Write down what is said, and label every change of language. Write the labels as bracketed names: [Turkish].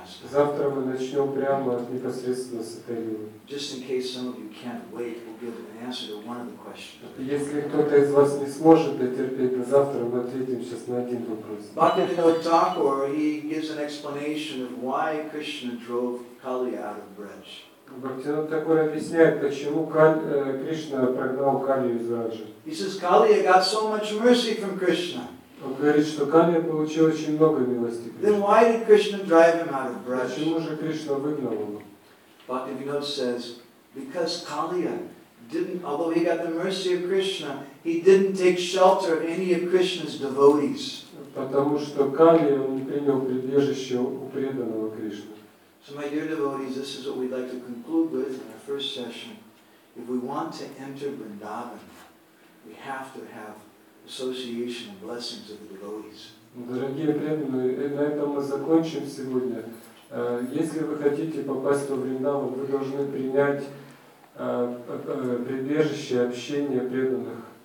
[Russian] Завтра мы начнем прямо непосредственно с этой темы. [English] Just in case some of you can't wait, we'll give an answer to one of the questions. [Russian] Если кто-то из вас не сможет дотерпеть до завтра, мы ответим сейчас на один вопрос. [English] Bhaktivinoda Thakur, he gives an explanation of why Krishna drove Kaliya out of Braj. [Russian] Бхактинода Такур объясняет, почему Кришна прогнал Калию из Раджа. [English] He says Kaliya got so much mercy from Krishna. [Russian] Он говорит, что Калия получил очень много милости. [English] Then why did Krishna drive him out of Braj? [Russian] Почему же Кришна выгнал его? [English] Bhaktivinoda says, because Kaliya didn't, although he got the mercy of Krishna, he didn't take shelter of any of Krishna's devotees. [Russian] Потому что Калия не принял прибежище у преданного Кришны. [English] So my dear devotees, this is what we'd like to conclude with in our first session. If we want to enter Vrindavan, we have to have association and blessings of the devotees. [Russian] Дорогие преданные, на этом мы закончим сегодня. Если вы хотите попасть в Вриндаван, вы должны принять прибежище общения преданных.